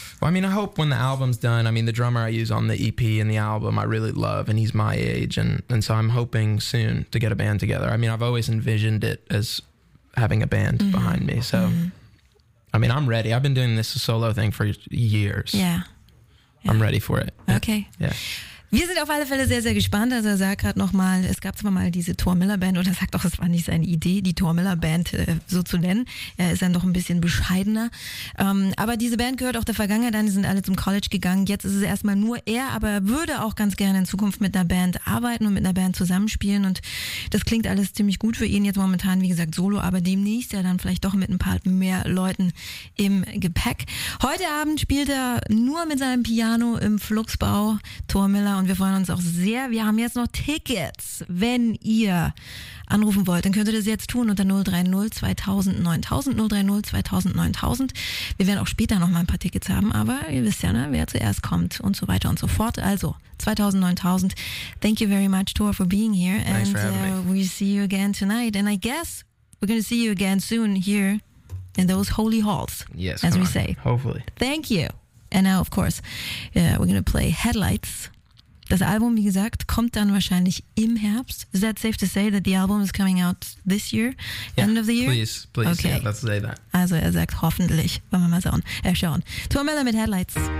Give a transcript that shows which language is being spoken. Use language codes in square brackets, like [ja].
[en] Well, I mean, I hope when the album's done, I mean, the drummer I use on the EP and the album, I really love, and he's my age. And so I'm hoping soon to get a band together. I mean, I've always envisioned it as having a band behind me. So, I mean, I'm ready. I've been doing this solo thing for years. Yeah. I'm ready for it. Okay. Yeah. [de] Wir sind auf alle Fälle sehr, sehr gespannt. Also er sagt gerade nochmal, es gab zwar mal diese Tor Miller Band, oder er sagt auch, es war nicht seine Idee, die Tor Miller Band so zu nennen. Er ist dann doch ein bisschen bescheidener. Aber diese Band gehört auch der Vergangenheit an, die sind alle zum College gegangen. Jetzt ist es erstmal nur er, aber er würde auch ganz gerne in Zukunft mit einer Band arbeiten und mit einer Band zusammenspielen. Und das klingt alles ziemlich gut für ihn jetzt momentan, wie gesagt, solo, aber demnächst ja dann vielleicht doch mit ein paar mehr Leuten im Gepäck. Heute Abend spielt er nur mit seinem Piano im Fluxbau Tor Miller. Und wir freuen uns auch sehr. Wir haben jetzt noch Tickets. Wenn ihr anrufen wollt, dann könnt ihr das jetzt tun unter 030-2000-9000. Wir werden auch später noch mal ein paar Tickets haben, aber ihr wisst ja, ne, wer zuerst kommt und so weiter und so fort. Also 2000-9000. [en] Thank you very much, Tor, for being here. Thanks and for having me. We see you again tonight. And I guess we're going to see you again soon here in those holy halls. Yes, as we on. Say. Hopefully. Thank you. And now, of course, we're going to play Headlights. [de] Das Album, wie gesagt, kommt dann wahrscheinlich im Herbst. [en] Is that safe to say that the album is coming out this year? Yeah, end of the year? Please, okay. Yeah, let's say that. [de] Also er sagt hoffentlich, wollen wir mal schauen. Tor Miller mit Headlights.